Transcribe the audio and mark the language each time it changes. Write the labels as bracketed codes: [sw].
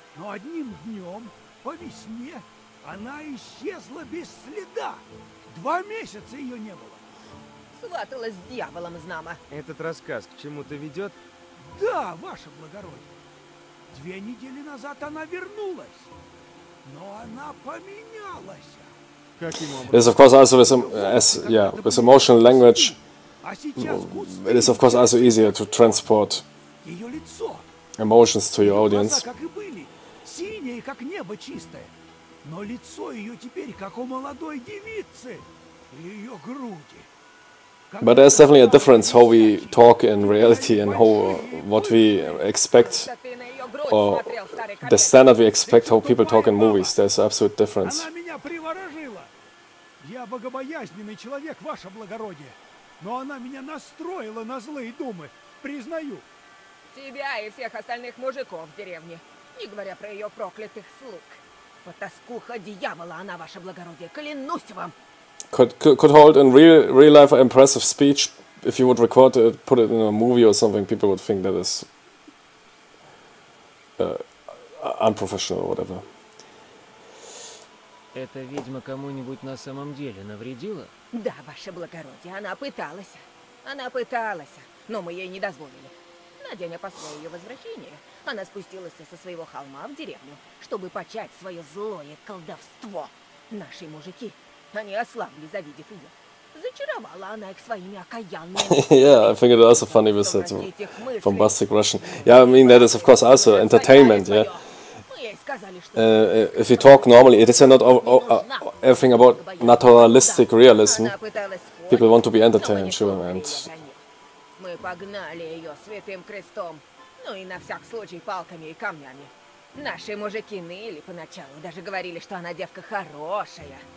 [ru] Но одним днем, по весне, она исчезла без следа. 2 месяца ее не было. Сваталась с дьяволом, знамо. Этот рассказ к чему-то ведет? Да, ваше благородие. 2 недели назад она вернулась, но она поменялась. [en] This, of course, also is with emotional language. It is, of course, also easier to transport emotions to your audience. [ru] Как и были, синие, как небо чистое, но лицо ее теперь как у молодой девицы, ее груди. [en] But there's definitely a difference how we talk in reality and how what we expect, or the standard we expect how people talk in movies. There's an absolute difference. [ru] Я богобоязненный человек, ваше благородие. Но она меня настроила на злые думы, признаю. Тебя и всех остальных мужиков в деревне. Не говоря про ее проклятых слуг. Потаскуха дьявола она, ваше благородие, клянусь вам. [en] Could hold in real life an impressive speech. If you would record it, put it in a movie or something, people would think that is unprofessional or whatever. [ru] Эта ведьма кому-нибудь на самом деле навредила? Да, ваше благородие, она пыталась. Она пыталась, но мы ей не дозволили. На день после ее возвращения она спустилась со своего холма в деревню, чтобы почать свое злое колдовство. Наши мужики, они ослабли, завидев ее. Зачаровала она их своими окаянными... [en] Yeah, I think it's also funny with that bombastic Russian. Yeah, I mean, that is, of course, also entertainment, yeah. If you talk normally, it is not everything about naturalistic realism. People want to be entertained, sure, and... [ru] Мы погнали ее святым крестом, ну и на всяк случай палками и камнями. Наши мужики ныли поначалу, даже говорили, что она девка хорошая.